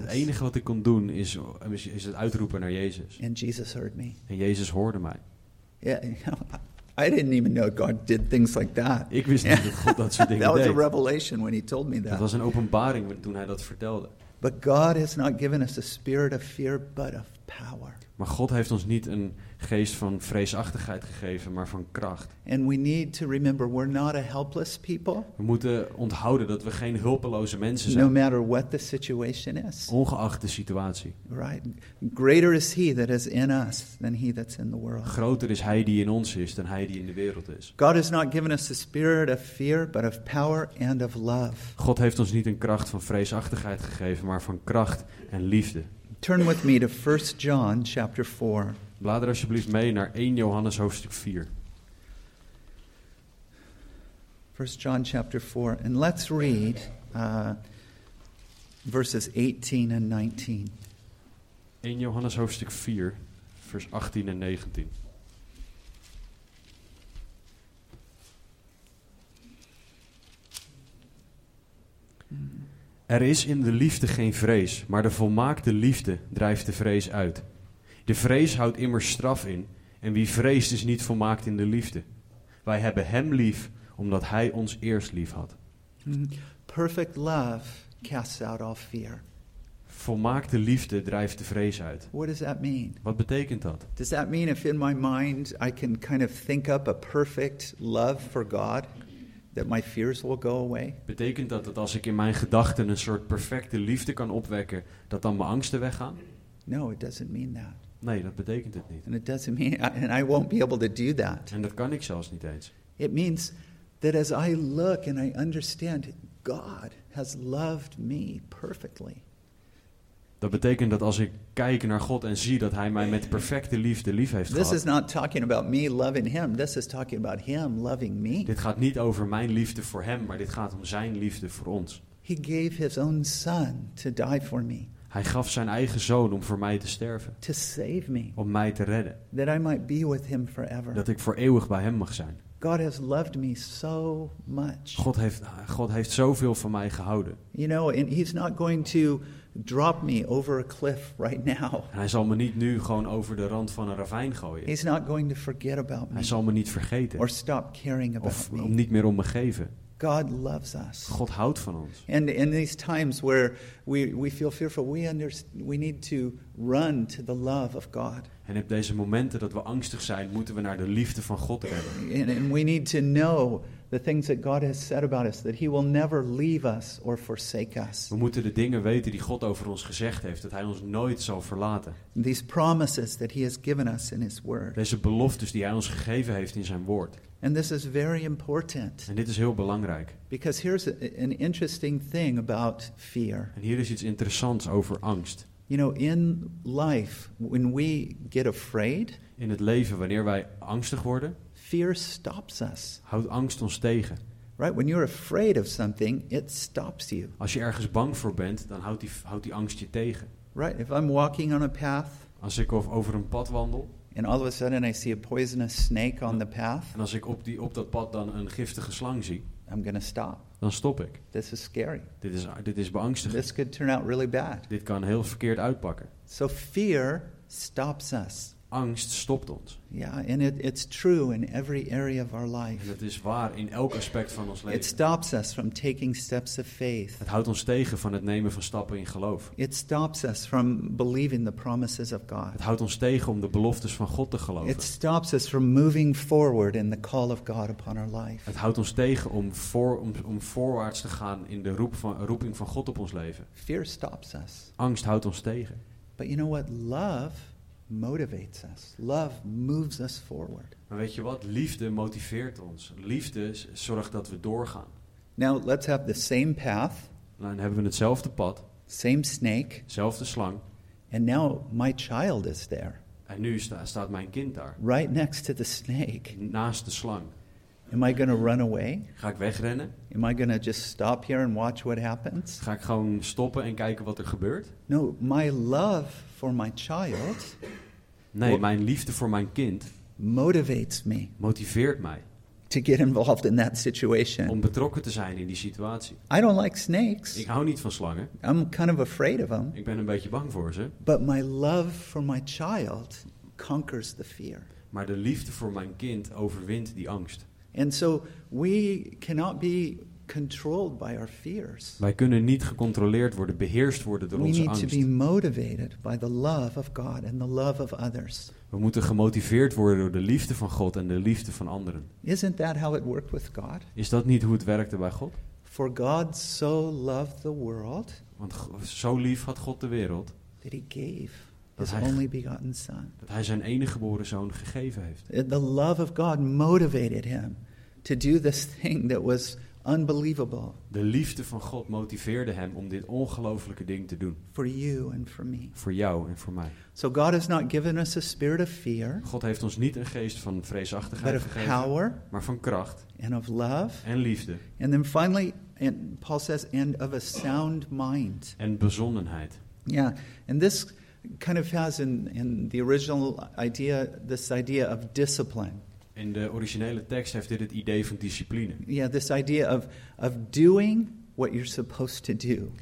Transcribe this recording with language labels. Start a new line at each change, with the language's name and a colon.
Dutch: Het enige wat ik kon doen is het uitroepen naar Jezus.
English: And Jesus heard me.
Dutch: En Jezus hoorde mij.
English: Yeah. I didn't even know God did things like that.
Dutch: Ik wist niet dat God dat soort dingen deed.
English: That was a revelation when he told me that.
Dutch: Dat was een openbaring toen hij dat vertelde.
English: But God has not given us a spirit of fear, but of power.
Dutch: Maar God heeft ons niet een geest van vreesachtigheid gegeven, maar van kracht.
English: And we need to remember we're not a helpless people.
Dutch: We moeten onthouden dat we geen hulpeloze mensen zijn.
English: No matter what the situation is.
Dutch: Ongeacht de situatie.
English: Right. Greater is he that is in us than he that's in the world.
Dutch: Groter is hij die in ons is dan hij die in de wereld is.
English: God has not given us a spirit of fear, but of power and of love.
Dutch: God heeft ons niet een kracht van vreesachtigheid gegeven, maar van kracht en liefde.
English: Turn with me to 1 John chapter 4.
Dutch: Blader alsjeblieft mee naar 1 Johannes hoofdstuk 4.
English: 1 John chapter 4. And let's read verses 18 and 19.
Dutch: 1 Johannes hoofdstuk 4, vers 18 en 19. Er is in de liefde geen vrees, maar de volmaakte liefde drijft de vrees uit. De vrees houdt immers straf in, en wie vreest is niet volmaakt in de liefde. Wij hebben hem lief, omdat hij ons eerst lief had.
English: Perfect love casts out all fear.
Dutch: Volmaakte liefde drijft de vrees uit.
English: What does that mean?
Dutch: Wat betekent dat?
English: Does that mean if in my mind I can kind of think up a perfect love for God? That my fears will go away.
Dutch: Betekent dat als ik in mijn gedachten een soort perfecte liefde kan opwekken, dat dan mijn angsten weggaan?
English: No, it doesn't mean that.
Dutch: Nee, dat betekent het niet.
English: And it doesn't mean, and I won't be able to do that.
Dutch: En dat kan ik zelfs niet eens.
English: It means that as I look and I understand, God has loved me perfectly.
Dutch: Dat betekent dat als ik kijk naar God en zie dat hij mij met perfecte liefde lief heeft
English: this
Dutch: gehad.
English: This is not talking about me loving him. This is talking about him loving me.
Dutch: Dit gaat niet over mijn liefde voor hem, maar dit gaat om zijn liefde voor ons.
English: He gave his own son to die for me.
Dutch: Hij gaf zijn eigen zoon om voor mij te sterven.
English: To save me.
Dutch: Om mij te redden.
English: That I might be with him forever.
Dutch: Dat ik voor eeuwig bij hem mag zijn.
English: God has loved me so much.
Dutch: God heeft zoveel van mij gehouden.
English: You know, and he's not going to drop me over a cliff right now.
Dutch: En hij zal me niet nu gewoon over de rand van een ravijn gooien.
English: He's not going to forget about me.
Dutch: Hij zal me niet vergeten.
English: Or stop caring about of me.
Dutch: Niet meer om me geven.
English: God loves us.
Dutch: God houdt van ons.
English: And in these times where we feel fearful, we need to run to the love of God.
Dutch: En op deze momenten dat we angstig zijn, moeten we naar de liefde van God rennen.
English: And we need to know the things that God has said about us, that he will never leave us or forsake us.
Dutch: We moeten de dingen weten die God over ons gezegd heeft, dat hij ons nooit zal verlaten.
English: These promises that he has given us in his word.
Dutch: Deze beloftes die hij ons gegeven heeft in zijn woord.
English: And this is very important.
Dutch: En dit is heel belangrijk.
English: Because here's an interesting thing about fear.
Dutch: En hier is iets interessants over angst.
English: You know, in life, when we get afraid,
Dutch: in het leven wanneer wij angstig worden,
English: fear stops us.
Dutch: Houdt angst ons tegen.
English: Right, when you're afraid of something, it stops you.
Dutch: Als je ergens bang voor bent, dan houdt die angst je tegen.
English: Right, if I'm walking on a path,
Dutch: Als ik over een pad wandel.
English: And all of a sudden I see a poisonous snake on the path.
Dutch: En als ik op dat pad dan een giftige slang zie.
English: I'm gonna stop.
Dutch: Dan stop ik.
English: This is scary.
Dutch: Dit is beangstigend.
English: This could turn out really bad.
Dutch: Dit kan heel verkeerd uitpakken.
English: So fear stops us.
Dutch: Angst stopt ons.
English: Yeah, and it's true in every area of our life.
Dutch: En het is waar in elk aspect van ons leven.
English: It stops us from taking steps of faith.
Dutch: Het houdt ons tegen van het nemen van stappen in geloof.
English: It stops us from believing the promises of God.
Dutch: Het houdt ons tegen om de beloftes van God te geloven.
English: It stops us from moving forward in the call of God upon our life.
Dutch: Het houdt ons tegen om voorwaarts te gaan in de roeping van God op ons leven.
English: Fear stops us.
Dutch: Angst houdt ons tegen.
English: But you know what? Love motivates us. Love moves us forward.
Dutch: Maar weet je wat? Liefde motiveert ons. Liefde zorgt dat we doorgaan.
English: Now let's have the same path.
Dutch: Dan hebben we hetzelfde pad.
English: Same snake.
Dutch: Zelfde slang.
English: And now my child is there.
Dutch: En nu staat mijn kind daar.
English: Right next to the snake.
Dutch: Naast de slang.
English: Am I going to run away?
Dutch: Ga ik wegrennen?
English: Am I going to just stop here and watch what happens?
Dutch: Ga ik gewoon stoppen en kijken wat er gebeurt?
English: No, my love for my child.
Dutch: Nee, mijn liefde voor mijn kind.
English: Motivates me.
Dutch: Motiveert mij.
English: To get involved in that situation.
Dutch: Om betrokken te zijn in die situatie.
English: I don't like snakes.
Dutch: Ik hou niet van slangen.
English: I'm kind of afraid of them.
Dutch: Ik ben een beetje bang voor ze.
English: But my love for my child conquers the fear.
Dutch: Maar de liefde voor mijn kind overwint die angst.
English: And so we cannot be controlled by our fears.
Dutch: Wij kunnen niet gecontroleerd worden, beheerst worden door
English: we
Dutch: onze
English: need
Dutch: angst.
English: To be motivated by the love of God and the love of others.
Dutch: We moeten gemotiveerd worden door de liefde van God en de liefde van anderen.
English: Isn't that how it worked with God?
Dutch: Is dat niet hoe het werkte bij God?
English: For God so loved the world.
Dutch: Want zo lief had God de wereld.
English: That he gave. His only begotten son.
Dutch: Dat hij zijn enige geboren zoon gegeven heeft.
English: The love of God motivated him to do this thing that was unbelievable.
Dutch: De liefde van God motiveerde hem om dit ongelofelijke ding te doen.
English: For you and for me.
Dutch: Voor jou en voor mij.
English: So God has not given us a spirit of fear.
Dutch: God heeft ons niet een geest van vreesachtigheid
English: but of
Dutch: gegeven,
English: power,
Dutch: maar van kracht
English: and of love.
Dutch: En liefde.
English: And then finally, and Paul says, and of a sound mind.
Dutch: En bezonnenheid.
English: Yeah, and this kind of has in the original idea this idea of discipline.
Dutch: In de originele tekst heeft dit het idee van discipline.
English: Yeah, this idea of doing what you're supposed to do.